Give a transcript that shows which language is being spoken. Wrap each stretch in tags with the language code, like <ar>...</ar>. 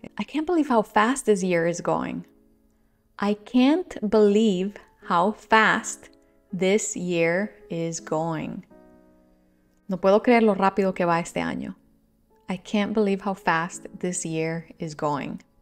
<en>I can't believe how fast this year is going. I can't believe how fast this year is going.</en> <es>No puedo creer lo rápido que va este año.</es> <en>I can't believe how fast this year is going.</en>